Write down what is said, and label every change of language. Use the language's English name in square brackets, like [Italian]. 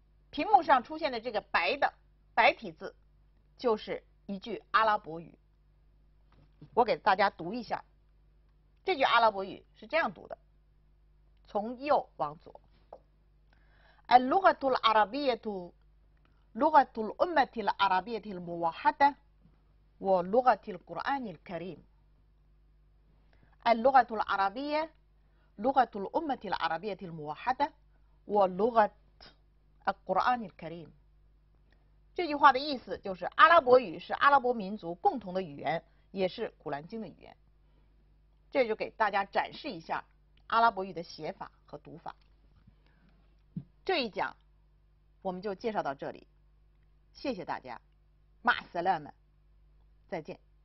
[Chinese] 屏幕上出现的这个白的白体字就是一句阿拉伯语，我给大家读一下，这句阿拉伯语是这样读的，从右往左。 [Arabic] اللغة العربية لغة الأمة العربية الموحدة ولغة القرآن الكريم. اللغة العربية لغة الأمة العربية الموحدة ولغة القرآن الكريم. [Chinese] 这句话的意思就是阿拉伯语是阿拉伯民族共同的语言，也是古兰经的语言。这就给大家展示一下阿拉伯语的写法和读法。这一讲我们就介绍到这里，谢谢大家，马萨勒们，再见。